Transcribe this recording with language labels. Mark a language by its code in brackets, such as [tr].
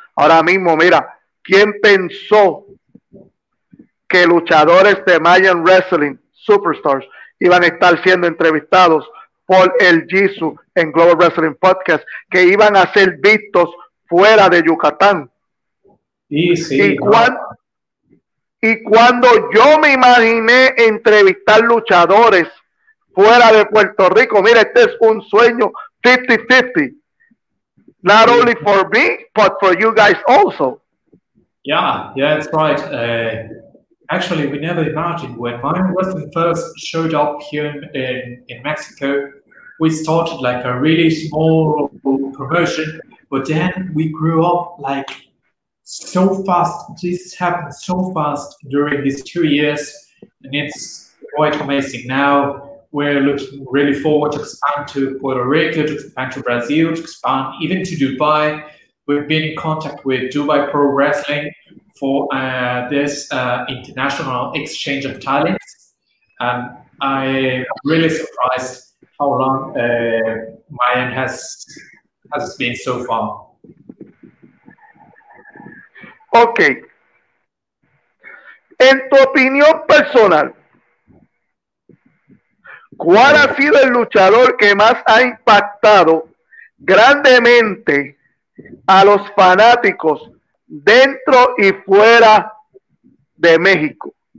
[es] Ahora mismo, mira, ¿quién pensó que luchadores de Mayan Wrestling Superstars iban a estar siendo entrevistados por el Jisoo en Global Wrestling Podcast, que iban a ser vistos fuera de Yucatán? Sí, Y cuando yo me imaginé entrevistar luchadores fuera de Puerto Rico, mira, este es un sueño 50-50. [en] Not only for me, but for you guys also. Yeah, that's right. Actually, we never imagined when Mayan Wrestling first showed up here in Mexico, we started like a really small promotion, but then we grew up like so fast. This happened so fast during these 2 years, and it's quite amazing. Now we're looking really forward to expand to Puerto Rico, to expand to Brazil, to expand even to Dubai. We've been in contact with Dubai Pro Wrestling for this international exchange of talents, and I'm really surprised how long Mayan has been so far. Okay. [es] En tu opinión personal, ¿cuál ha sido el luchador que más ha impactado grandemente a los fanáticos dentro y fuera de México?